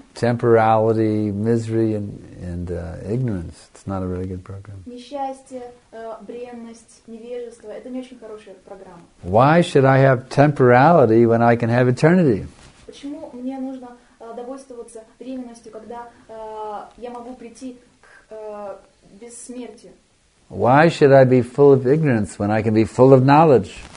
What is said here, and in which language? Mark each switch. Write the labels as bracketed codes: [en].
[en] Temporality, misery and ignorance, it's not a very good program. [ru] Несчастье, бренность, невежество, это не очень хорошая программа. [en] Why should I have temporality when I can have eternity? [ru] Почему мне нужно довольствоваться временностью, когда я могу прийти к бессмертию. [en] Why should I be full of ignorance when I can be full of knowledge?